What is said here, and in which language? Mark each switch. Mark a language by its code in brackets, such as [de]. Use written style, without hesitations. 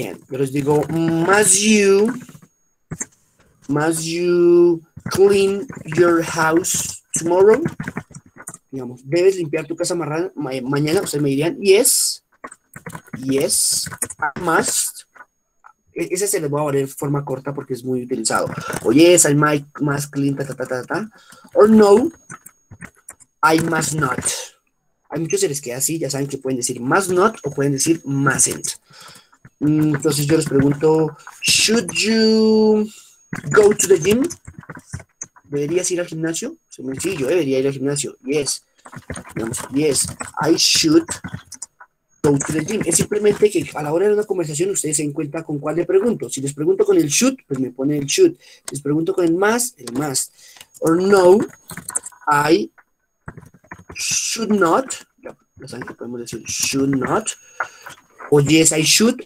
[es] Yo les digo, [en] must you clean your house tomorrow? [es] Digamos, ¿debes limpiar tu casa mañana? Ustedes me dirían, [en] yes, I must. [es] Ese se les voy a poner en forma corta porque es muy utilizado. Oye, es el mic más clean, ta, ta, ta, ta, ta. [en] Or no, I must not. [es] A muchos se les queda así, ya saben que pueden decir must not o pueden decir mustn't. Entonces yo les pregunto, [en] should you go to the gym? [es] ¿Deberías ir al gimnasio? Sí, yo debería ir al gimnasio. Yes. Digamos, [en] yes, I should go to the gym. [es] Es simplemente que a la hora de una conversación ustedes se den cuenta con cuál le pregunto. Si les pregunto con el should, pues me pone el should. Si les pregunto con el must. [en] Or no, I should not. [es] Ya saben que podemos decir should not. O [en] yes, I should.